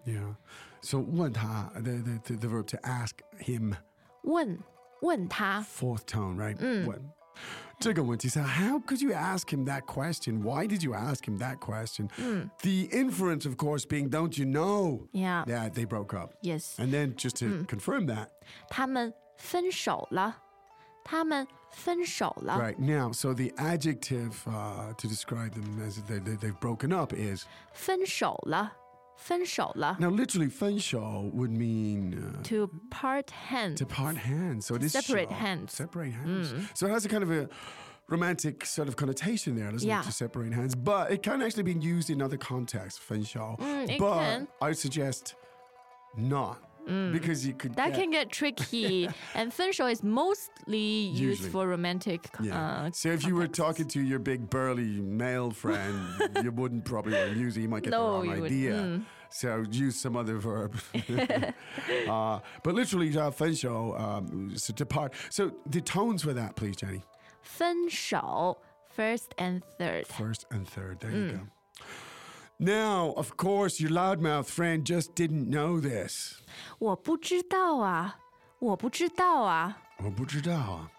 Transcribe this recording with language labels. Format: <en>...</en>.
<en>Yeah. So</en> <zh>问他,</zh> <en>the verb to ask him.</en> <zh>问他</zh> <en>Fourth tone, right?</en> <zh>这个问题,</zh> <en>so how could you ask him that question? Why did you ask him that question? The inference, of course, being, don't you know that they broke up? Yes. And then just to confirm that.</en> <zh>他们分手了。他们分手了。</zh> <en>Right, now, so the adjective to describe them as they've broken up is</en> <zh>分手了。分手了.</zh> <en>Now, literally, 分手 would mean... to part hands. To part hands. So it is separate hands. Separate hands. So it has a kind of a romantic sort of connotation there, doesn't it? To separate hands. But it can actually be used in other contexts, 分手. But I suggest not. Because you could... That can get tricky. And 分手 is mostly usually used for romantic So if you were talking to your big burly male friend, you wouldn't probably want to use it. You might get the wrong idea. So use some other verb. But literally, 分手, so depart. So the tones for that, please, Jenny. 分手, first and third. First and third. There you go. Now, of course, your loudmouth friend just didn't know this.</en> <zh>我不知道啊。我不知道啊。我不知道啊。</zh>